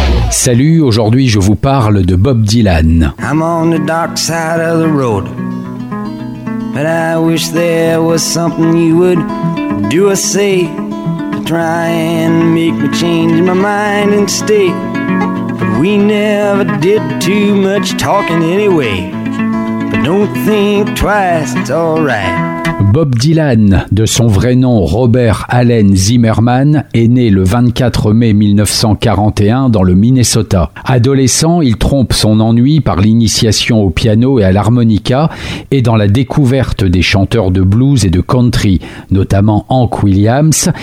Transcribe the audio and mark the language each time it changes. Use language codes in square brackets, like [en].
[fr] Salut, aujourd'hui je vous parle de Bob Dylan. [en] I'm on the dark side of the road, but I wish there was something you would do or say to try and make me change my mind and stay. But we never did too much talking anyway. But don't think twice, it's all right. [fr] Bob Dylan, de son vrai nom Robert Allen Zimmerman, est né le 24 mai 1941 dans le Minnesota. Adolescent, il trompe son ennui par l'initiation au piano et à l'harmonica et dans la découverte des chanteurs de blues et de country, notamment Hank Williams.